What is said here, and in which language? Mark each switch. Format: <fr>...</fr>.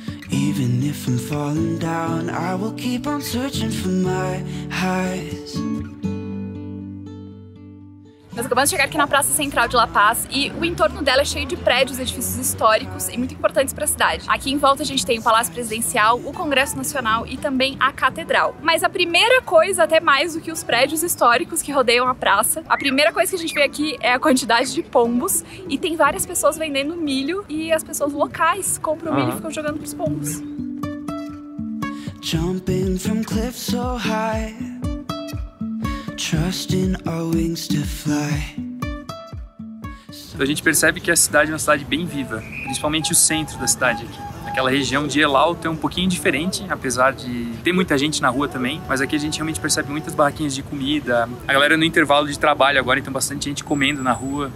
<en>Even if I'm falling down, I will keep on searching for my highs.</en> <pt>Nós acabamos de chegar aqui na Praça Central de La Paz e o entorno dela é cheio de prédios, edifícios históricos e muito importantes para a cidade. Aqui em volta a gente tem o Palácio Presidencial, o Congresso Nacional e também a Catedral. Mas a primeira coisa, até mais do que os prédios históricos que rodeiam a praça, a primeira coisa que a gente vê aqui é a quantidade de pombos e tem várias pessoas vendendo milho e as pessoas locais compram milho e ficam jogando pros pombos.</pt> <en>Jumping from cliffs so high. Trust in our wings to fly.</en> <pt>Então a gente percebe que a cidade é uma cidade bem viva, principalmente o centro da cidade aqui. Aquela região de El Alto é um pouquinho diferente, apesar de ter muita gente na rua também, mas aqui a gente realmente percebe muitas barraquinhas de comida, a galera no intervalo de trabalho agora, então bastante gente comendo na rua.</pt>